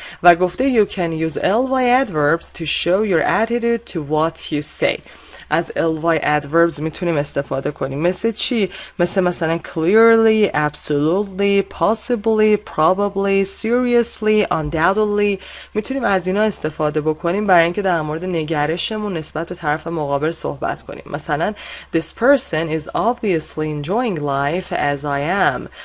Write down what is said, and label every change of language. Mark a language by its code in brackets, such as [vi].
[fa] و گفته [en] you can use ly adverbs to show your attitude to what you say. [fa] از ly adverbs میتونیم استفاده کنیم. مثل چی؟ مثل مثلا [en] clearly, absolutely, possibly, probably, seriously, undoubtedly. [fa] میتونیم از اینا استفاده بکنیم برای اینکه در مورد نگرشمون نسبت به طرف مقابل صحبت کنیم. [en] مثلا this person is obviously enjoying life as I am.